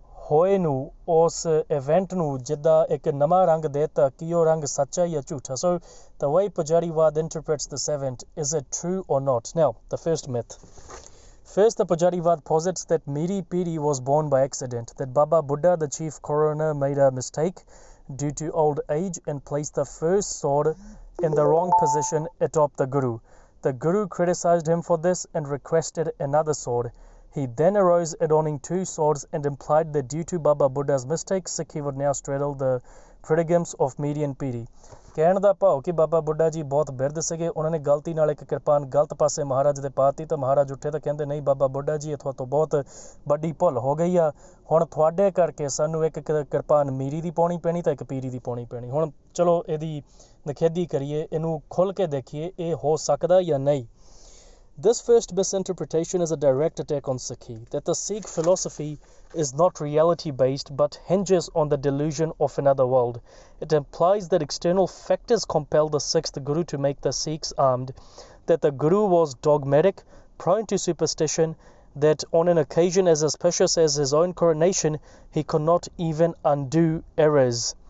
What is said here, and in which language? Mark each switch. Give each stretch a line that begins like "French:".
Punjabi: ਹੋਏ ਨੂੰ ਉਸ ਇਵੈਂਟ ਨੂੰ ਜਿੱਦਾਂ ਇੱਕ ਨਵਾਂ ਰੰਗ ਦਿੱਤਾ ਕਿ ਉਹ ਰੰਗ ਸੱਚਾ ਜਾਂ ਝੂਠਾ ਸੋ ਤਾਂ
English: Why Pujariwad interprets this event is it true or not now the first myth First, the Pujariwad posits that Miri-Piri was born by accident, that Baba Buddha, the chief coroner, made a mistake due to old age and placed the first sword in the wrong position atop the guru. The guru criticized him for this and requested another sword. He then arose adorning two swords and implied that due to Baba Buddha's mistake, Sikhi would now straddle the pradigams of Miri and Piri.
Punjabi: ਕਹਿਣ ਦਾ ਭਾਵ ਕਿ ਬਾਬਾ ਬੁੱਢਾ ਜੀ ਬਹੁਤ ਬਿਰਧ ਸੀਗੇ ਉਹਨਾਂ ਨੇ ਗਲਤੀ ਨਾਲ ਇੱਕ ਕਿਰਪਾਨ ਗਲਤ ਪਾਸੇ ਮਹਾਰਾਜ ਦੇ ਪਾ ਦਿੱਤੀ ਤਾਂ ਮਹਾਰਾਜ ਉੱਠੇ ਤਾਂ ਕਹਿੰਦੇ ਨਹੀਂ ਬਾਬਾ ਬੁੱਢਾ ਜੀ ਇੱਥੋਂ ਤੋਂ ਬਹੁਤ ਵੱਡੀ ਭੁੱਲ ਹੋ ਗਈ ਆ ਹੁਣ ਤੁਹਾਡੇ ਕਰਕੇ ਸਾਨੂੰ ਇੱਕ ਕਿਰਪਾਨ ਮੀਰੀ ਦੀ ਪਾਉਣੀ ਪੈਣੀ ਤਾਂ ਇੱਕ ਪੀਰੀ ਦੀ ਪਾਉਣੀ ਪੈਣੀ ਹੁਣ ਚਲੋ ਇਹਦੀ ਨਿਖੇਧੀ ਕਰੀਏ ਇਹਨੂੰ ਖੁੱਲ੍ਹ ਕੇ ਦੇਖੀਏ ਇਹ ਹੋ ਸਕਦਾ ਜਾਂ ਨਹੀਂ
English: This first misinterpretation is a direct attack on Sikhi, that the Sikh philosophy is not reality-based but hinges on the delusion of another world. It implies that external factors compel the sixth guru to make the Sikhs armed, that the guru was dogmatic, prone to superstition, that on an occasion as auspicious as his own coronation, he could not even undo errors.